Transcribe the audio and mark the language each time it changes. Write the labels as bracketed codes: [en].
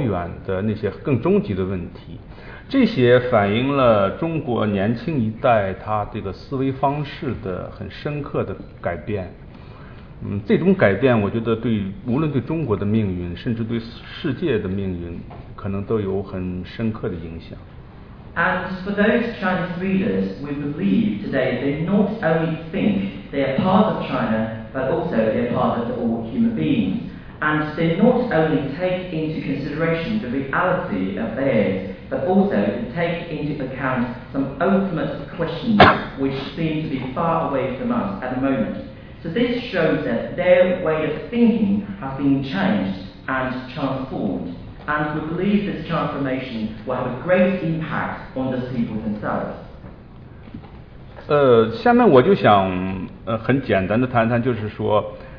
[zh] 就说中国的科幻小说读者呢，他更多的把自己不仅仅看作是中国的一员，而看作是人类的一员。他关注的不仅仅是现实，而是那种在时间和空间上都更遥远的那些更终极的问题。这些反映了中国年轻一代他这个思维方式的很深刻的改变。这种改变我觉得对无论对中国的命运甚至对世界的命运可能都有很深刻的影响。 [en] And for those Chinese readers, we believe today they not only think they are part of China, but also they are part of all human beings. And they not only take into consideration the reality of theirs, but also to take into account some ultimate questions which seem to be far away from us at the moment. So this shows that their way of thinking has been changed and transformed, and we believe this transformation will have a great impact on the people themselves. [zh] 下面我就想很简单的谈谈，就是说。